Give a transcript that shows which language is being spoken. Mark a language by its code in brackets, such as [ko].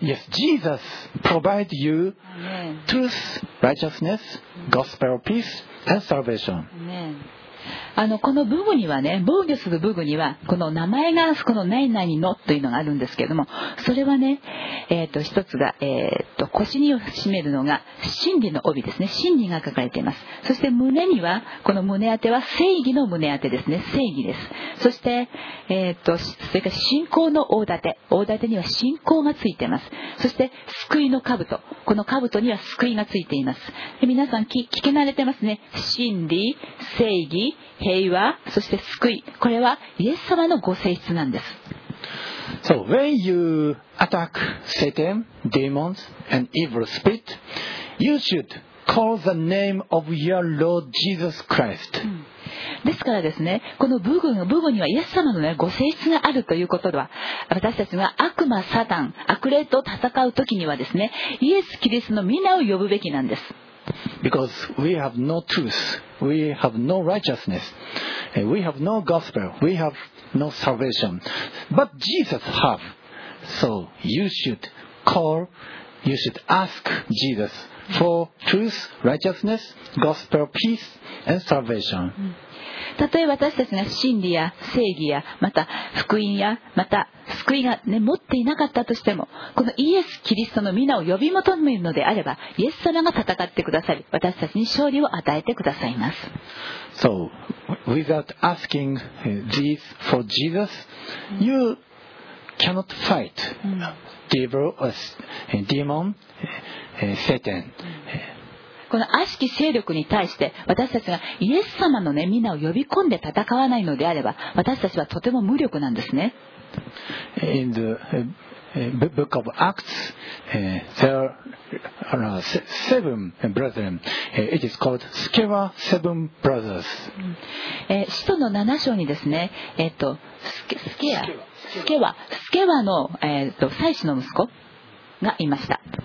[en] Jesus provide you truth, righteousness, gospel of peace, and salvation. Amen. [ja] この武具にはね、防御する武具にはこの名前がこの何々のというのがあるんですけれども、それはね、一つが、腰に締めるのが真理の帯ですね。真理が書かれています。そして胸にはこの胸当ては正義の胸当てですね。正義です。そして、それから信仰の大盾、大盾には信仰がついています。そして救いの兜、この兜には救いがついています。で、皆さん聞け慣れてますね。真理、正義、平和、そして救い、これはイエス様のご性質なんです。 [en] So when you attack Satan, demons and evil spirit, you should call the name of your Lord Jesus Christ. [ja] ですからですね、この部分にはイエス様の、ね、ご性質があるということでは、私たちが悪魔、サタン、悪霊と戦うときにはですね、イエス・キリストの皆を呼ぶべきなんです。 [en] Because we have no truth, we have no righteousness, we have no gospel, we have no salvation. But Jesus have. So you should call, you should ask Jesus for truth, righteousness, gospel, peace, and salvation. [ja] たとえ私たちが真理や正義や、また福音や、また救いが、ね、持っていなかったとしても、このイエス・キリストの皆を呼び求めるのであれば、イエス様が戦ってくださり、私たちに勝利を与えてくださいます。 [en] So without asking this for Jesus, you cannot fight devil or demon, Satan. [ja] この悪しき勢力に対して私たちがイエス様の、ね、皆を呼び込んで戦わないのであれば、私たちはとても無力なんですね。 [en] In the book of Acts, there are seven brethren. It is called Skewa Seven Brothers. [ja] 使徒の七章にですね、スケワの、祭司の息子がいました。